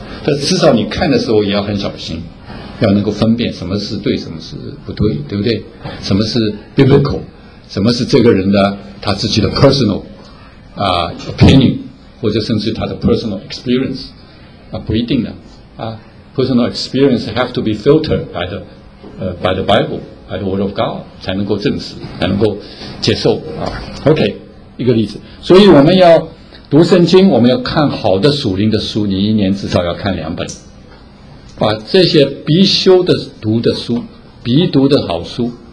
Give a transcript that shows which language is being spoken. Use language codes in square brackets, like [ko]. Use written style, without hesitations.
[zh] 但至少你看的时候也要很小心，要能够分辨什么是对，什么是不对，对不对？什么是 biblical， 什么是这个人的他自己的 [en] personal opinion， [zh] 或者甚至他的 [en] personal experience [zh] 啊，不一定的啊。 [en] personal experience have to be filtered by the Bible。 by the word of God [zh] 才能够证实，才能够接受啊。 OK， 一个例子。所以我们要读圣经，我们要看好的属灵的书，你一年至少要看两本，把这些必修的读的书，必读的好书